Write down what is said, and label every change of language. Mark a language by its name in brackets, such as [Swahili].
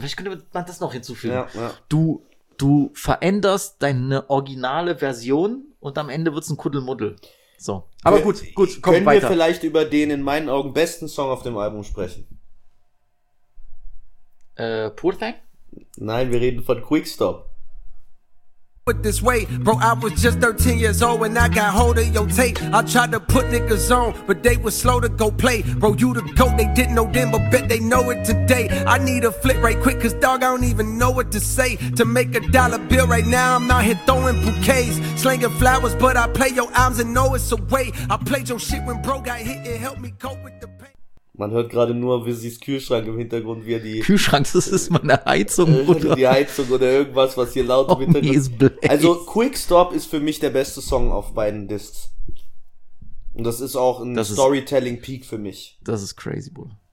[German] Vielleicht könnte man das noch hinzufügen. Ja, ja. Du veränderst deine originale Version und am Ende wird's ein Kuddelmuddel. So. Aber gut, komm weiter. Können wir vielleicht über den in meinen Augen besten Song auf dem Album sprechen? Poor Thing? Nein, wir reden von Quickstop. [English] With this weight, bro, I was just 13 years old when I got hold of your tape. I tried to put niggas on, but they were slow to go play. Bro, you the GOAT, they didn't know then, but bet they know it today. I need a flip right quick, cause dog, I don't even know what to say. To make a dollar bill right now, I'm out here throwing bouquets. Slinging flowers, but I play your albums and know it's a way. I played your shit when bro got hit, it helped me cope with the pain. [German] Man hört gerade nur Visis Kühlschrank im Hintergrund, wie er die... Kühlschrank, das ist meine Heizung, oder? Die Heizung oder irgendwas, was hier laut im Hintergrund... Is also, Quickstop ist für mich der beste Song auf beiden Discs. Und das ist auch ein Storytelling-Peak für mich. Das ist crazy, Bro.